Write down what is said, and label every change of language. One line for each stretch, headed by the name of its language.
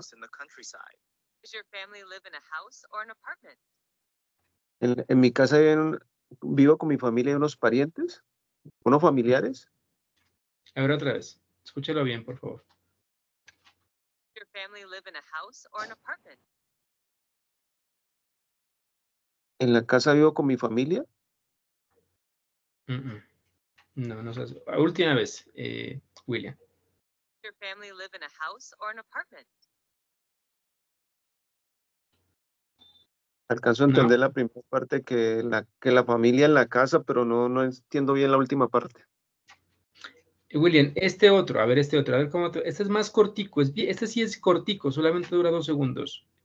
English: Does your family live in a house or an apartment?
Spanish: En mi casa vivo con mi familia y unos parientes, unos familiares. A ver, otra vez. Escúchelo bien, por favor.
English: Does your family live in a house or an apartment?
Spanish: ¿En la casa vivo con mi familia? Mm-mm. No sé. Última vez, William.
English: Does your family live in a house or an apartment?
Spanish: Alcanzo a entender no. La primera parte, que la familia en la casa, pero no entiendo bien la última parte. William, este otro, a ver cómo te... Este es más cortico, este sí es cortico, solamente dura 2 segundos.